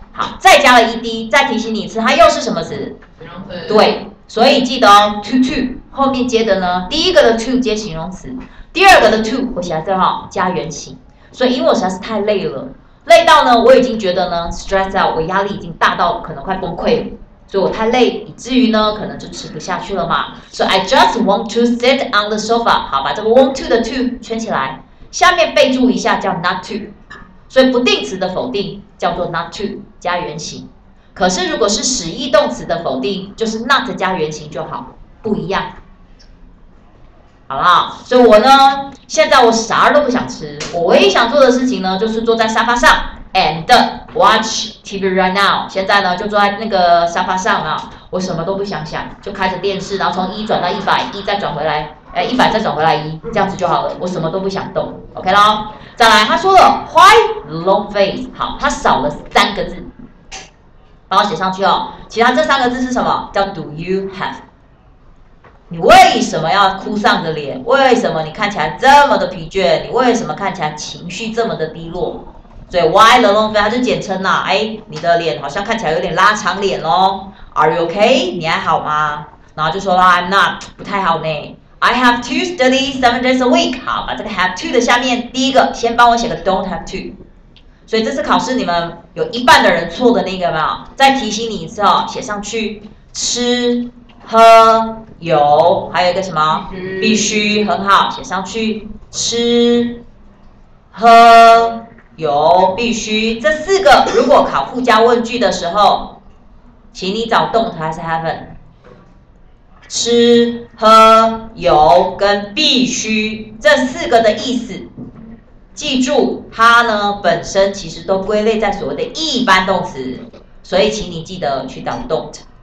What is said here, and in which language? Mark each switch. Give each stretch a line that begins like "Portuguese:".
Chinese: 好，再加了 ed， 再提醒你一次，它又是什么词？对，所以记得哦 ，too 后面接的呢，第一个的 too 接形容词，第二个的 too 我写在这哈，加原形。所以因为我实在是太累了，累到呢，我已经觉得呢 ，
English: stress out，
Chinese: 我压力已经大到可能快崩溃了，所以我太累，以至于呢，可能就吃不下去了嘛。
English: So I just want to sit on the sofa。
Chinese: 好，把这个 want to 的 to 圈起来，下面备注一下叫 not to。所以不定词的否定叫做 not to 加原形，可是如果是使役动词的否定，就是 not 加原形就好，不一样。好啦，所以我呢，现在我啥都不想吃，我唯一想做的事情呢，就是坐在沙发上
English: and watch TV right now。
Chinese: 现在呢，就坐在那个沙发上啊，我什么都不想想，就开着电视，然后从一转到一百一，再转回来，一百再转回来一，这样子就好了，我什么都不想动 ，OK 啦。再来，他说了
English: why long face？
Chinese: 好，他少了三个字，帮我写上去哦。其他这三个字是什么？叫
English: do you have？
Chinese: 你为什么要哭丧着脸？为什么你看起来这么的疲倦？你为什么看起来情绪这么的低落？所以
English: why the long face
Chinese: 它就简称啦、啊。你的脸好像看起来有点拉长脸哦。
English: Are you okay？
Chinese: 你还好吗？然后就说啦 ，
English: I'm not，
Chinese: 不太好呢。
English: I have to study 7 days a week。
Chinese: 好，把这个 have to 的下面第一个先帮我写个 don't have to。所以这次考试你们有一半的人错的那个有没有？再提醒你一次哦，写上去吃。喝有还有一个什么必须很好写上去吃喝有必须这四个如果考附加问句的时候请你找动词还是 haven 吃喝有跟必须这四个的意思记住它呢本身其实都归类在所谓的一般动词所以请你记得去找 don't